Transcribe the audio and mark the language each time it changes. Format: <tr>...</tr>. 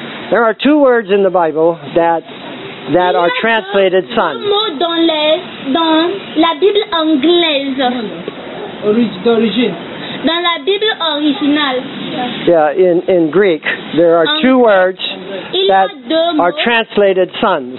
<en>There are two words in the Bible that are translated son.</en> <fr>Il y a deux mots dans la Bible anglaise. D'origine. Dans la Bible originale.</fr> <en>Yeah, in Greek, there are two words that are translated sons.</en>